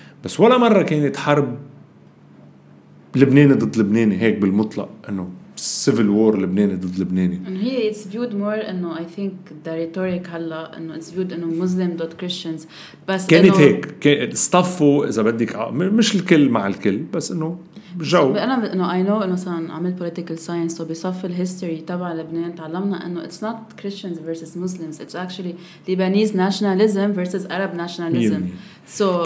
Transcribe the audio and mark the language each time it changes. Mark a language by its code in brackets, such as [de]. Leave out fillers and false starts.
[ar] بس ولا مرة كانت حرب لبناني ضد لبناني هيك بالمطلق، انه [en] civil war [ar] لبناني ضد لبناني. [en] And here it's viewed more [ar] انه [en] I think the rhetoric [ar] هلا انه [en] it's viewed انه Muslim [ar] ضد [en] Christians. [ar] بس كانت هيك استفوا اذا بدك، مش الكل مع الكل، بس انه جو. انا انه [en] I know [ar] انه صار عملت [en] political science، so [ar] بصف الهيستوري تبع لبنان تعلمنا انه [en] it's not Christians versus Muslims، it's actually Lebanese nationalism versus Arab nationalism. So